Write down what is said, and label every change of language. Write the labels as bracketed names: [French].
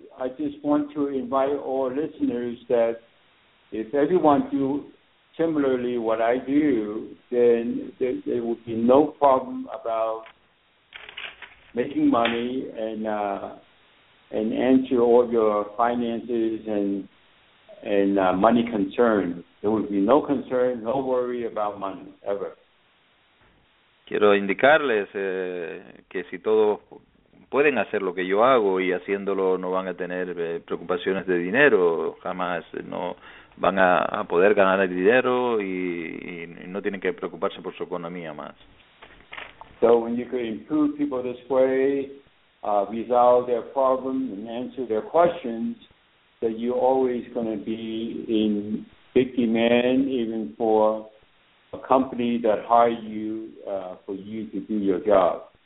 [English] I just want to invite all listeners that if everyone do similarly what I do, then there would be no problem about making money and answer all your finances and money concerns. There would be no concern, no worry about money, ever. [Spanish] Quiero indicarles que si todos pueden hacer lo que yo hago y haciéndolo no van a tener preocupaciones de dinero, jamás, no van a poder ganar el dinero y no tienen que preocuparse por su economía más. [English] So when you can improve people this way, resolve their problems and answer their questions, that you're always going to be in big demand even for a company that hire you for you to do your job.